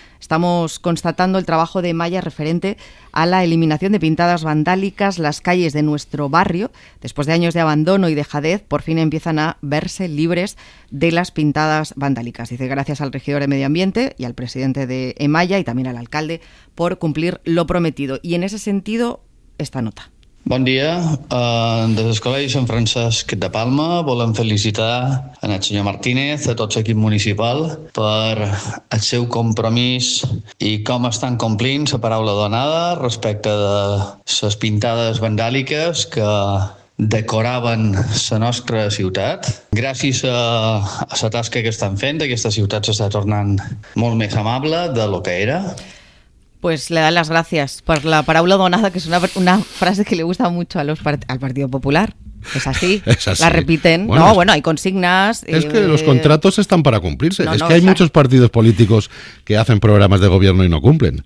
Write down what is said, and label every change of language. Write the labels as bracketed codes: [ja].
[es] Estamos constatando el trabajo de Maya referente a la eliminación de pintadas vandálicas las calles de nuestro barrio. Después de años de abandono y dejadez, por fin empiezan a verse libres de las pintadas vandálicas. Dice, gracias al regidor de Medio Ambiente y al presidente de Emaya y también al alcalde por cumplir lo prometido. Y en ese sentido, esta nota. [ca] Bon dia. Des del Col·legi Sant Francesc de Palma volem felicitar el senyor Martínez, a tot l'equip municipal, per el seu compromís i com estan complint la paraula donada respecte de les pintades vandàliques que decoraven la nostra ciutat. Gràcies a la tasca que estan fent, aquesta ciutat s'està tornant molt més amable de lo que era. [es] Pues le dan las gracias por la [ca] paraula donada, [es] que es una frase que le gusta mucho a los al Partido Popular. Es así. La repiten. Bueno, no, hay consignas. Es que los contratos están para cumplirse. No, es que hay muchos partidos políticos que hacen programas de gobierno y no cumplen.